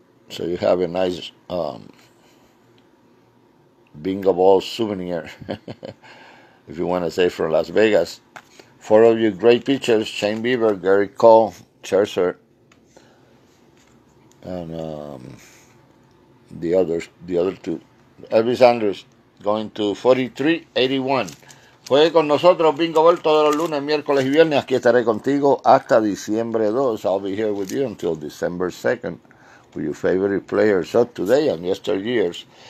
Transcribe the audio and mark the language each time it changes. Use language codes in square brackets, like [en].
[en] So you have a nice bingo ball souvenir, if you want to say, from Las Vegas. 4 of your great pitchers, Shane Bieber, Gerrit Cole, Scherzer, and the other two. Elvis Andrus, going to 43.81. [es] Juegue con nosotros, bingo ball, todos los lunes, miércoles y viernes. Aquí estaré contigo hasta diciembre 2. [en] I'll be here with you until December 2nd. With your favorite players of today and yesteryears.